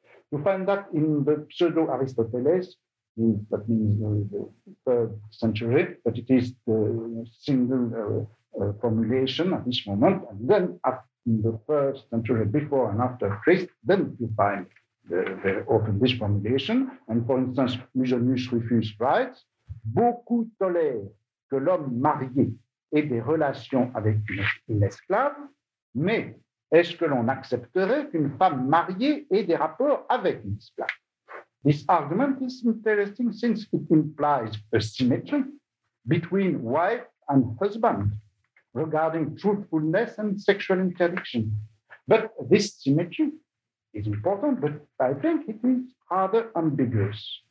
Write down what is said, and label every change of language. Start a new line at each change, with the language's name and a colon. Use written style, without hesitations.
English: You find that in the Pseudo-Aristoteles, that means the third century, but it is the single formulation at this moment. And then in the first century, before and after Christ, then you find very often this formulation. And for instance, Musonius Rufus writes,
French: beaucoup tolèrent que l'homme marié ait des relations avec une esclave, mais est-ce que l'on accepterait qu'une femme mariée ait des rapports avec une esclave?
English: This argument is interesting since it implies a symmetry between wife and husband regarding truthfulness and sexual interdiction. But this symmetry is important, but I think it is rather ambiguous.